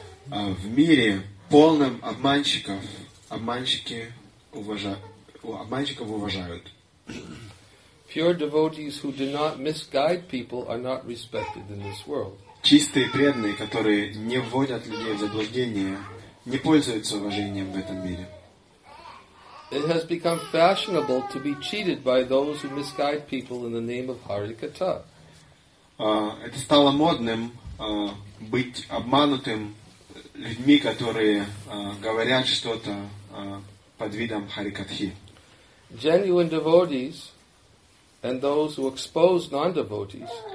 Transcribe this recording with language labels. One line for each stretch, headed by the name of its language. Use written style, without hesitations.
Russian: В мире полном обманщиков, обманщиков уважают.
English: Pure devotees who do not misguide people are not respected in this world.
Russian: Чистые преданные, которые не вводят людей в заблуждение, не пользуются уважением в этом мире.
English: It has become fashionable to be cheated by those who misguide people in the name of Harikatha.
Russian: Это стало модным быть обманутым людьми, которые говорят что-то под видом Харикатхи.
English: Genuine devotees and those who expose non-devotees.